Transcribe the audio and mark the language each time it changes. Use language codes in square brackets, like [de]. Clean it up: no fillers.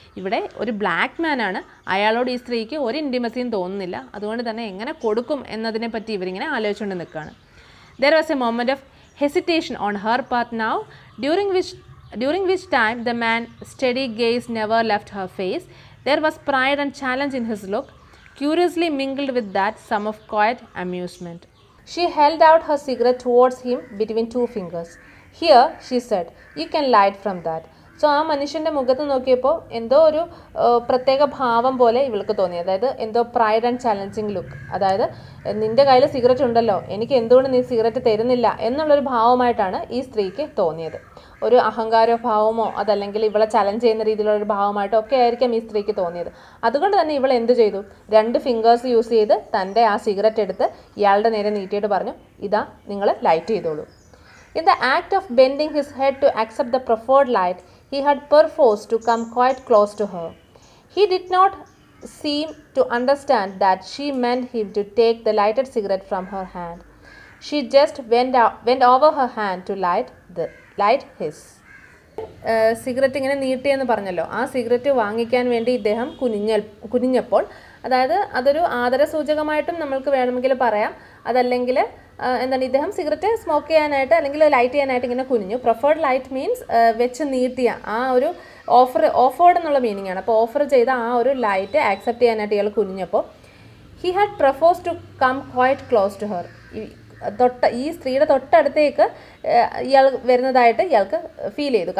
[ml] ഇവിടെ ഒരു ബ്ലാക്ക് മാനാണ്, അയാളോട് ഈ സ്ത്രീക്ക് ഒരു ഇൻറ്റിമസിയും തോന്നുന്നില്ല, അതുകൊണ്ട് തന്നെ എങ്ങനെ കൊടുക്കും എന്നതിനെ പറ്റി ഇവരിങ്ങനെ ആലോചിച്ചുകൊണ്ട് നിൽക്കുകയാണ്. [en] There was a moment of hesitation on her part now, during which time the man study gaze never left her face. There was pride and challenge in his look, curiously mingled with that some of quiet amusement. She held out her cigarette towards him between two fingers. Here, she said, you can light from that. [ml] So ആ മനുഷ്യൻ്റെ മുഖത്ത് നോക്കിയപ്പോൾ എന്തോ ഒരു പ്രത്യേക ഭാവം പോലെ ഇവൾക്ക് തോന്നി. അതായത് എന്തോ പ്രൈഡ് ആൻഡ് ചലഞ്ചിങ് ലുക്ക്, അതായത് നിൻ്റെ കയ്യിൽ സിഗരറ്റ് ഉണ്ടല്ലോ, എനിക്ക് എന്തുകൊണ്ട് നീ സിഗരറ്റ് തരുന്നില്ല എന്നുള്ളൊരു ഭാവമായിട്ടാണ് ഈ സ്ത്രീക്ക് തോന്നിയത്. ഒരു അഹങ്കാരഭാവമോ അതല്ലെങ്കിൽ ഇവളെ ചലഞ്ച് ചെയ്യുന്ന രീതിയിലുള്ളൊരു ഭാവമായിട്ടോ ഒക്കെ ആയിരിക്കാം ഈ സ്ത്രീക്ക് തോന്നിയത്. അതുകൊണ്ട് തന്നെ ഇവൾ എന്ത് ചെയ്തു, രണ്ട് ഫിംഗേഴ്സ് യൂസ് ചെയ്ത് തൻ്റെ ആ സിഗരറ്റ് എടുത്ത് ഇയാളുടെ നേരെ നീട്ടിയിട്ട് പറഞ്ഞു, ഇതാ നിങ്ങൾ ലൈറ്റ് ചെയ്തോളൂ. [en] In the act of bending his head to accept the proffered light He had perforce to come quite close to her. He did not seem to understand that she meant him to take the lighted cigarette from her hand. She just went over her hand to light his. [ml] Cigarette ഇങ്ങനെ നീട്ടിയെന്ന് പറഞ്ഞല്ലോ, ആ cigarette വാങ്ങിക്കാൻ വേണ്ടി ഇദ്ദേഹം കുനിഞ്ഞപ്പോൾ, അതായത് അതൊരു ആദരസൂചകമായിട്ടും നമുക്ക് വേണമെങ്കിൽ പറയാം, അതല്ലെങ്കിൽ എന്താണ്, ഇദ്ദേഹം സിഗരറ്റ് സ്മോക്ക് ചെയ്യാനായിട്ട് അല്ലെങ്കിൽ ലൈറ്റ് ചെയ്യാനായിട്ട് ഇങ്ങനെ കുനിഞ്ഞു. പ്രഫേർഡ് ലൈറ്റ് മീൻസ് വെച്ച് നീട്ടിയ ആ ഒരു ഓഫേർഡ് എന്നുള്ള മീനിങ് ആണ്. അപ്പോൾ ഓഫർ ചെയ്ത ആ ഒരു ലൈറ്റ് ആക്സെപ്റ്റ് ചെയ്യാനായിട്ട് ഇയാൾ കുനിഞ്ഞപ്പോൾ, [en] he had perforce to come quite close to her, [ml] ഈ സ്ത്രീയുടെ തൊട്ടടുത്തേക്ക് ഇയാൾ വരുന്നതായിട്ട് ഇയാൾക്ക് ഫീൽ ചെയ്തു.